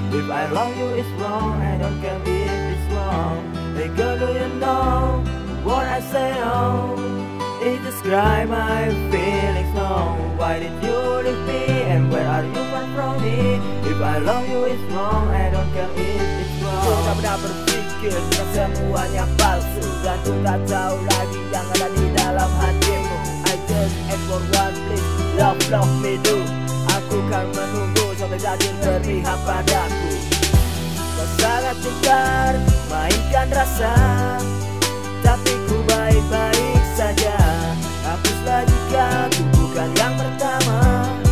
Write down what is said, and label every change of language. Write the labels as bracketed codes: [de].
[en] If I love you, it's wrong. I don't care if it's wrong. Hey girl, do you know what I said now? It describes my feelings now. Why did you leave me? And where are you far from me? If I love you, it's wrong. I don't care if it's wrong. [id] Cuma pernah berpikir bahwa semuanya palsu. Dan tu tak tahu lagi yang ada di dalam hatimu. [en] I just ask for one, please love, love me do. [id] Aku kan menunggu sampai jadi berpihak padaku. Kau sangat pintar mainkan rasa, tapi ku baik-baik saja. Hapuslah jika ku bukan yang pertama.